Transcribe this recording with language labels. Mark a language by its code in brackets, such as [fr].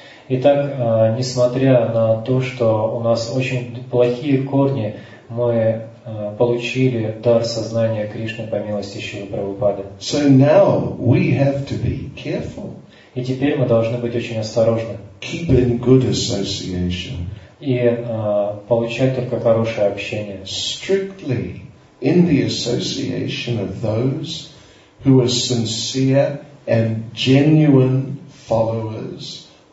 [ru] Итак, несмотря на то, что у нас очень плохие корни, мы получили дар сознания Кришны по милости Шрилы Прабхупады. [en] So now we have to be careful. [ru] И теперь мы должны быть очень осторожны. [en] Keep in good association. [ru] И получать только хорошее общение. [en] Strictly in the association of those who are sincere and genuine followers.